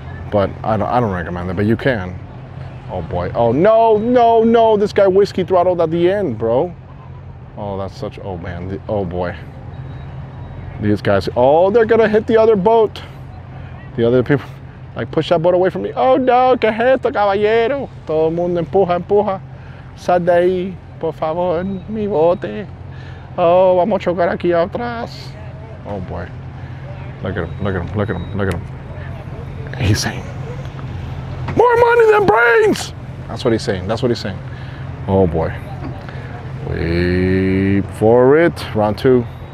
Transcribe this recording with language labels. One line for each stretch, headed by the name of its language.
English: But I don't recommend it, but you can. Oh boy, oh no, no, no. This guy whiskey throttled at the end, bro. Oh, that's such, oh man, oh boy. These guys, oh, they're gonna hit the other boat. The other people, like, push that boat away from me.
Spanish: Oh no, que esto, caballero. Todo el mundo empuja, empuja. Sal de ahí, por favor, mi bote. Oh, vamos a chocar aquí atrás.
English: Oh boy. Look at him, look at him, look at him, look at him. He's saying, more money than brains! That's what he's saying, that's what he's saying. Oh boy. Wait for it, round two.